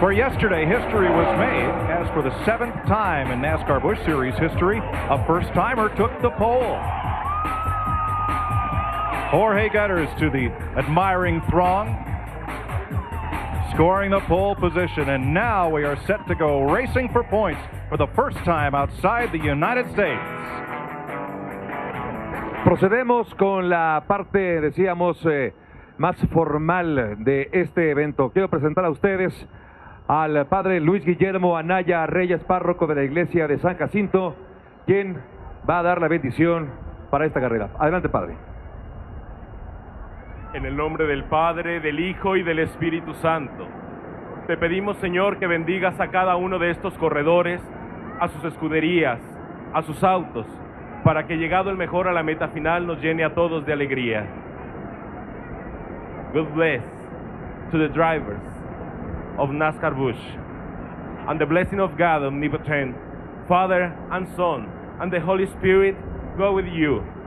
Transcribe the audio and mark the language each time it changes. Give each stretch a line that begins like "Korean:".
English: Where yesterday, history was made, as for the seventh time in NASCAR Busch Series history, a first-timer took the pole. Jorge Gutters to the admiring throng, scoring the pole position, and now we are set to go racing for points for the first time outside the United States.
Spanish: Procedemos con la parte, decíamos, más formal de este evento. Quiero presentar a ustedes al padre Luis Guillermo Anaya Reyes, párroco de la iglesia de San Jacinto, quien va a dar la bendición para esta carrera. Adelante, padre. En el nombre del Padre, del Hijo y del Espíritu Santo, te pedimos, Señor, que bendigas a cada uno de estos corredores, a sus escuderías, a sus autos, para que llegado el mejor a la meta final nos llene a todos de alegría.
English: God bless to the drivers of NASCAR Busch, and the blessing of God Omnipotent, Father and Son, and the Holy Spirit go with you.